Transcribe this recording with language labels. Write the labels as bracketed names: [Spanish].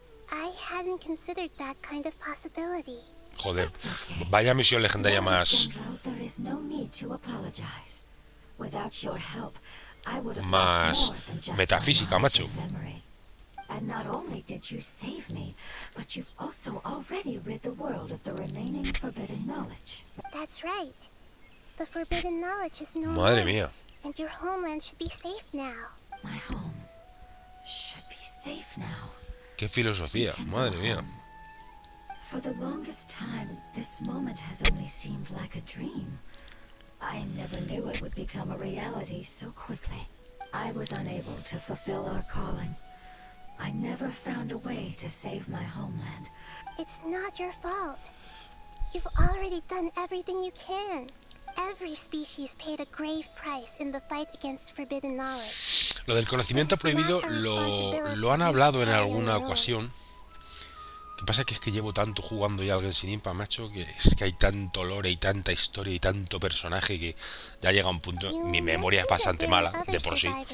[English] I hadn't considered that kind of possibility. [Spanish] Joder, vaya misión legendaria más. [English] There is no need to apologize. Without your help, I would have [Spanish] más metafísica, macho. [English] And not only did you save me, but you've also already rid the world of the remaining forbidden knowledge. That's right. The forbidden knowledge is no [Spanish] Madre mía. [English] And your homeland should be safe now. My home should be safe now. [Spanish] Qué filosofía, madre mía. [English] For the longest time, this moment has only seemed like a dream. I never knew it would become a reality so quickly. I was unable to fulfill our calling. I never found a way to save my homeland. It's not your fault. You've already done everything you can. Every species paid a grave price in the fight against forbidden knowledge. [Spanish] Lo del conocimiento prohibido lo han hablado en alguna ocasión. Lo que pasa es que llevo tanto jugando ya al Genshin Impact, macho, que es que hay tanto lore y tanta historia y tanto personaje que ya llega a un punto. Mi memoria es bastante mala, de por sí.